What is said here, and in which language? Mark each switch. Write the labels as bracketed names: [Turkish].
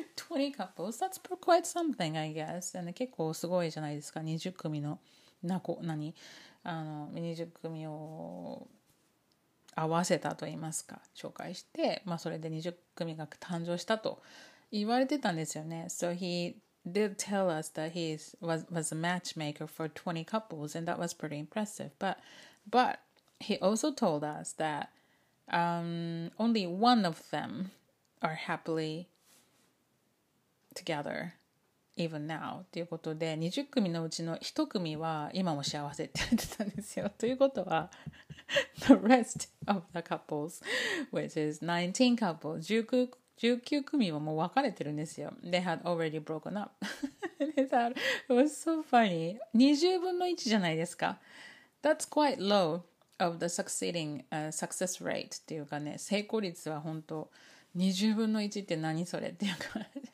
[English] 20 couples, that's quite something, I guess. [Japanese] And 結構すごいじゃないですか、20組の、20組を合わせたといいますか、紹介して、まあ、それで20組が誕生したと言われてたんですよね。 [English] So he... did tell us that he was a matchmaker for 20 couples and that was pretty impressive but he also told us that only one of them are happily together even now [Japanese] ということで20組のうちの1組は今も幸せって言ってたんですよということは [English] the rest of the couples which is 19 couples [Japanese] 19組はもう別れてるんですよ。 [English] They had already broken up. They thought it was so funny. [Japanese] 20分の1じゃないですか。 [English] That's quite low of the succeeding、success rate. [Japanese] っていうかね、成功率は本当、20分の1って何それっていうか。